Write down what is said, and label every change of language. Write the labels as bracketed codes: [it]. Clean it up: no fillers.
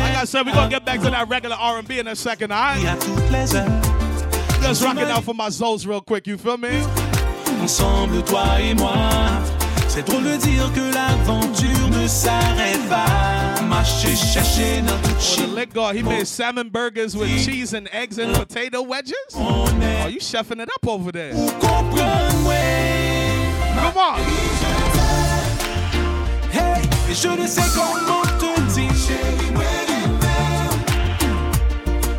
[en] Like I said, we're gonna get back to that regular R&B in a second, alright? Just rock it out for my souls real quick, you feel me? [fr] Ensemble, toi et moi. C'est drôle de dire que l'aventure ne s'arrête pas. Marcher, chercher dans tout chien. [en] Oh, the lick guard, he made salmon burgers with cheese and eggs and potato wedges? Are you chefing it up over there? [fr] Ou comprends-moi. [en] Come on. [fr] Hey, je ne sais comment te dire. Chérie, moi, tu